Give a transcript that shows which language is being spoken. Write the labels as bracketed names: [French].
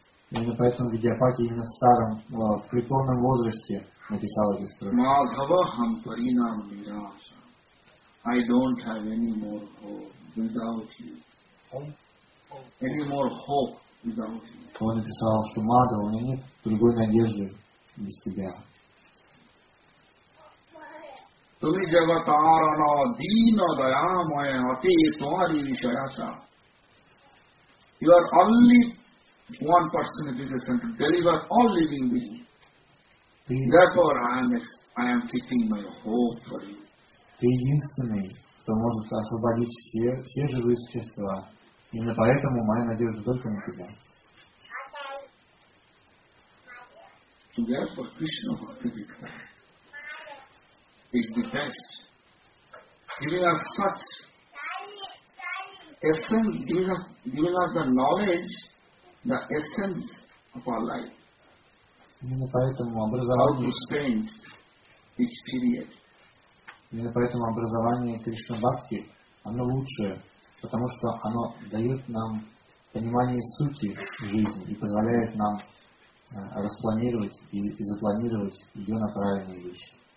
[Russian] Именно поэтому Видьяпати именно в старом, в преклонном возрасте написал эти строки. [English] I don't have any more hope without you. Any more hope without you. [Russian] Он написал, что Мада, у меня нет другой надежды без тебя. [Bangla] Туми джагатарана дина даямая ати твари вишаяса. [English] You are only one person who is sent to deliver all living beings. Therefore, I am keeping my hope for you. [Russian] Ты единственный, кто может освободить все живые существа. Именно поэтому моя надежда только на тебя. [English] To therefore Krishna Bhakti is the best. Giving us such essence, giving us the knowledge, the essence of our life. [Russian] Именно поэтому образование. [English] How to spend each period. [Russian] Именно поэтому образование Кришна Бхакти, оно лучшее, потому что оно дает нам понимание сути жизни и позволяет нам распланировать и запланировать ее на правильные вещи.